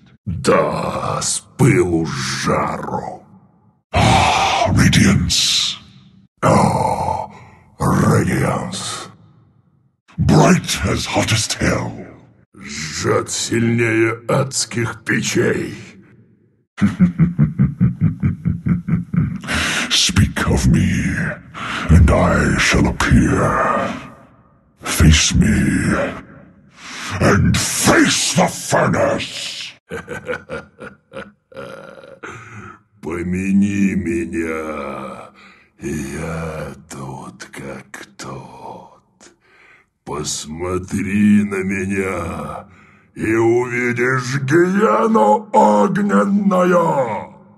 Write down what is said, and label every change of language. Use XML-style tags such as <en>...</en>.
<ru>Да, с пылу с жару.</ru> <en>Radiance. Radiance. Bright as hottest hell.</en> <ru>Жжет сильнее адских печей.</ru> <en>Speak of me, and I shall appear. Face me, and face the furnace!</en> <ru>Помяни меня, я тут как тот. Посмотри на меня, и увидишь гиену огненную!</ru>